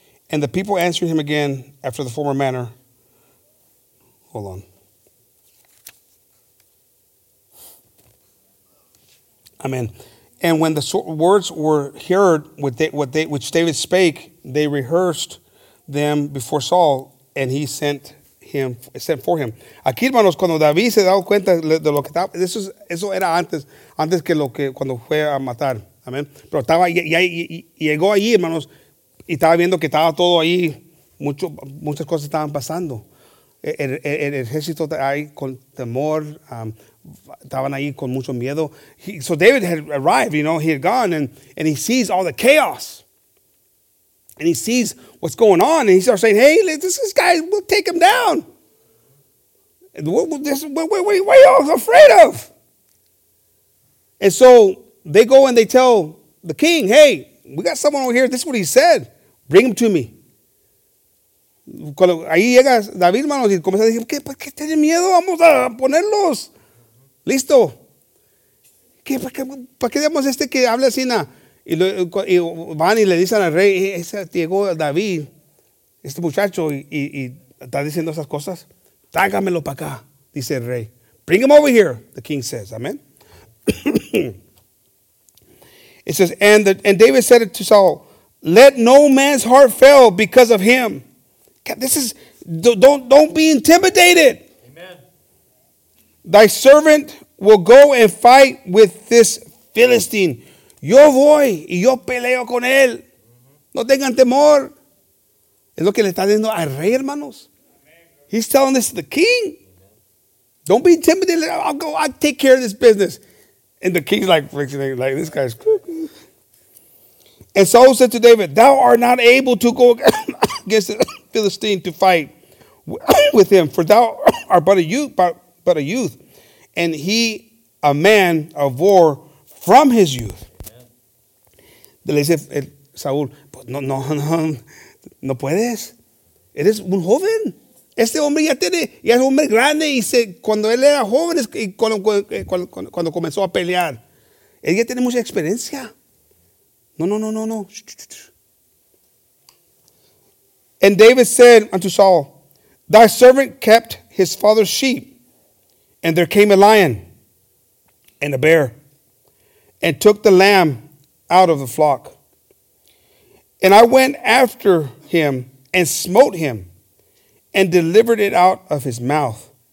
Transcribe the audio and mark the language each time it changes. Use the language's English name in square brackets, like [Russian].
[English] And the people answered him again after the former manner. Hold on. Amen. And when the words were heard which David spake, they rehearsed them before Saul, and he sent for him. [Spanish] Aquí, hermanos, cuando David se da cuenta de lo que estaba, eso era antes que lo que cuando fue a matar. Amén. Pero estaba ya llegó allí, hermanos, y estaba viendo que estaba todo ahí, muchas cosas estaban pasando. El ejército ahí con temor, estaban ahí con mucho miedo. [English] So David had arrived, you know, he had gone, and he sees all the chaos. And he sees what's going on, and he starts saying, hey, this guy, we'll take him down. What are y'all afraid of? And so they go and they tell the king, hey, we got someone over here. This is what he said. Bring him to me. [Spanish] Cuando ahí llega David, hermano, y comienza a decir, ¿qué tiene miedo? Vamos a ponerlos. Listo. ¿Para qué digamos este que habla así na? Y van y le dicen al rey, ese llegó David, este muchacho, y está diciendo esas cosas. Tráigamelo para acá, dice el rey. [English] Bring him over here, the king says. Amen. It says, and David said it to Saul, Let no man's heart fail because of him. God, this is, don't be intimidated. Amen. Thy servant will go and fight with this Philistine. [Spanish] Yo voy y yo peleo con él. No tengan temor. Es lo que le está diciendo al rey, hermanos. [English] He's telling this to the king. Don't be intimidated. I'll go. I'll take care of this business. And the king's like this guy's. And Saul said to David, thou art not able to go against the Philistine to fight with him, for thou art but a youth, and he a man of war from his youth. [Spanish] Le dice Saúl, no puedes. Eres un joven. Este hombre ya tiene, ya es un hombre grande. Y se, cuando él era joven, y cuando comenzó a pelear, él ya tiene mucha experiencia. No. [English] And David said unto Saul, thy servant kept his father's sheep, and there came a lion and a bear, and took the lamb out of the flock. And I went after him and smote him and delivered it out of his mouth.